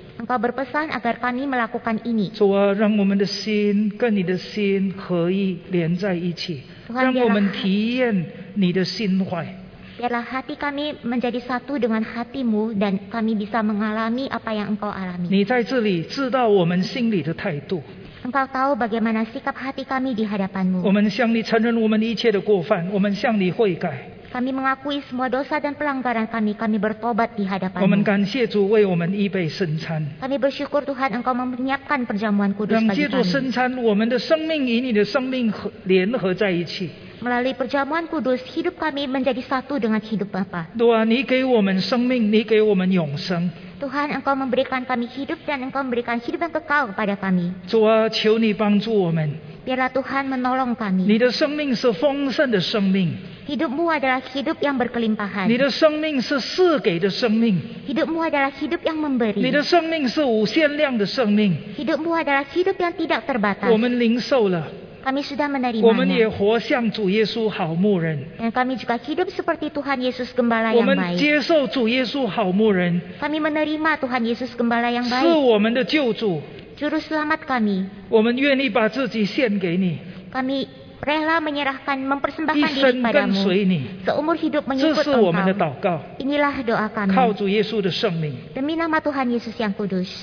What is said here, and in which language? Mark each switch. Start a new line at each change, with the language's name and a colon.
Indonesian: Engkau berpesan agar kami melakukan ini.
Chinese: 主啊, 让我们的心跟你的心合一连在一起。
Indonesian: Tuhan,
Chinese: 让我们体验你的心怀。
Indonesian: Biarlah hati kami menjadi satu dengan hatimu dan kami bisa mengalami apa yang engkau alami.
Chinese: 你在这里知道我们心里的态度。
Indonesian: Engkau tahu bagaimana sikap hati kami di hadapanmu.
Chinese: 我们向你承认我们一切的过犯, 我们向你悔改。
Indonesian: Kami mengakui semua dosa dan pelanggaran kami, kami bertobat di hadapanmu.
Chinese: 我们感谢主为我们预备圣餐。
Indonesian: Kami bersyukur Tuhan engkau menyiapkan perjamuan kudus bagi kami.
Chinese: 让借助圣餐, 我们的生命与你的生命联合在一起。
Indonesian: Melalui perjamuan kudus, hidup kami menjadi satu dengan hidup Bapa.
Chinese: Doa, 你给我们生命, 你给我们永生。
Indonesian: Tuhan, Engkau memberikan kami hidup dan Engkau memberikan hidup yang kekal kepada kami.
Chinese: 主啊，求你帮助我们。
Indonesian: Biarlah Tuhan menolong kami.
Chinese: 你的生命是丰盛的生命。
Indonesian: Hidupmu adalah hidup yang berkelimpahan.
Chinese: 你的生命是赐给的生命。
Indonesian: Hidupmu adalah hidup yang memberi.
Chinese: 你的生命是无限量的生命。
Indonesian: Hidupmu adalah hidup yang tidak terbatas.
Chinese: 我们领受了。
Indonesian: Kami sudah menerimanya.
Chinese: 我们也活像主耶稣好牧人。
Indonesian: Dan kami juga hidup seperti Tuhan Yesus gembala yang baik.
Chinese: 我们接受主耶稣好牧人。
Indonesian: Kami menerima Tuhan Yesus gembala yang baik.
Chinese: 是我们的救主。
Indonesian: Juru selamat kami.
Chinese: 我们愿意把自己献给你。
Indonesian: Kami rela menyerahkan, mempersembahkan diri padamu.
Chinese: 一生跟随你。
Indonesian: Seumur hidup mengikut engkau.
Chinese: 这是我们的祷告。
Indonesian: Inilah doa kami.
Chinese: 靠主耶稣的圣名。
Indonesian: Demi nama Tuhan Yesus yang kudus.